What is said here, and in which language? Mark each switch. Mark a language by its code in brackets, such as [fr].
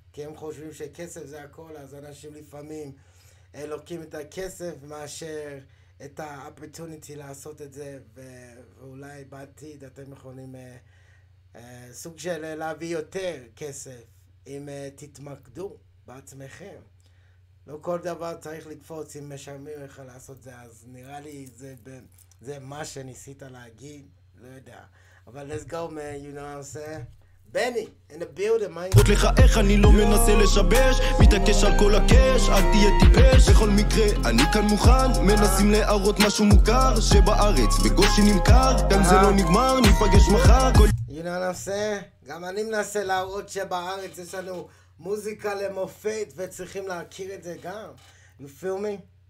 [he] כי הם חושבים שכסף זה הכל, אז אנשים לפעמים לוקחים את הכסף מאשר את האופורטוניטי לעשות את זה, ואולי בעתיד אתם יכולים סוג של להביא יותר כסף אם תתמקדו בעצמכם. לא כל דבר צריך לקפוץ אם משלמים לך לעשות זה, אז נראה לי זה מה שניסית להגיד, לא יודע. [en] אבל let's go man, you know what I'm saying? בני, in the building, [he] מה? עוד לך איך אני לא מנסה לשבש, מתעקש על כל הקש, אל תהיה טיפש. בכל מקרה, אני כאן מוכן, מנסים להראות משהו מוכר, שבארץ בגושי נמכר, כאן זה לא נגמר, ניפגש מחר. [en] You know what I'm saying? [he] גם אני מנסה להראות שבארץ יש לנו מוזיקה למופת, וצריכים להכיר את זה גם. [en] You feel me?